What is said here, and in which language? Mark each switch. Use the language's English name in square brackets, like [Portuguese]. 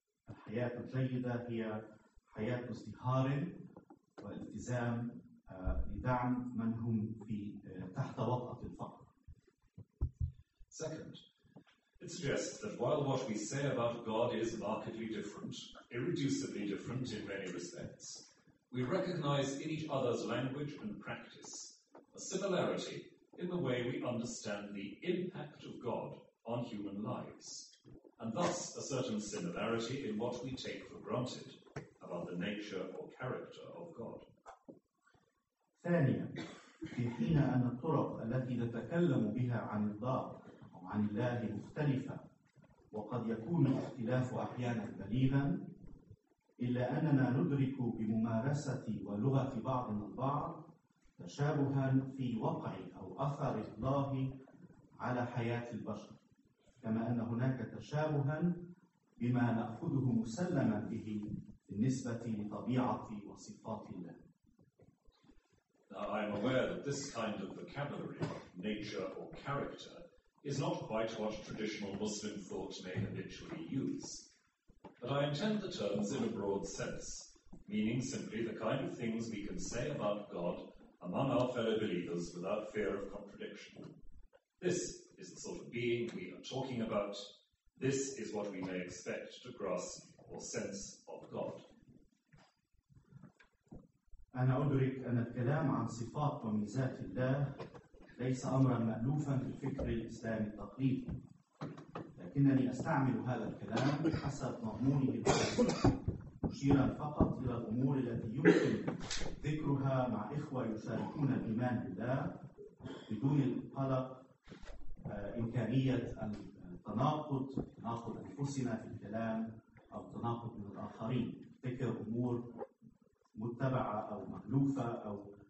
[Arabic] الحياة الجيدة هي حياة ازدهار والالتزام لدعم من هم في تحت وطأة الفقر. [English] Second, it suggests that while what we say about God is markedly different, irreducibly different in many respects, we recognize in each other's language and practice a similarity in the way we understand the impact of God on human lives, and thus a certain similarity in what we take for granted about the nature or character of God. [Arabic] ثانيا, في حين أن الطرق التي نتكلم بها عن الله عن الله مختلفة وقد يكون الاختلاف أحيانا بليغا إلا أننا ندرك بممارسة ولغة بعضنا البعض تشابها في وقع أو أثر الله على حياة البشر كما أن هناك تشابها بما نأخذه مسلما به بالنسبة لطبيعة وصفات الله. [English] Now I am aware that this kind of vocabulary, nature or character, is not quite what traditional Muslim thought may habitually use. But I intend the terms in a broad sense, meaning simply the kind of things we can say about God among our fellow believers without fear of contradiction. This is the sort of being we are talking about. This is what we may expect to grasp or sense of God. [Arabic] أنا أدرك أن الكلام عن صفات وميزات الله ليس أمرا مألوفا في الفكر الإسلامي التقليدي لكنني أستعمل هذا الكلام حسب مضمونه مشيرا فقط إلى الأمور التي يمكن ذكرها مع إخوة يشاركون الإيمان بالله بدون القلق إمكانية التناقض تناقض أنفسنا في الكلام أو تناقض من الآخرين ذكر أمور متبعة أو مألوفة أو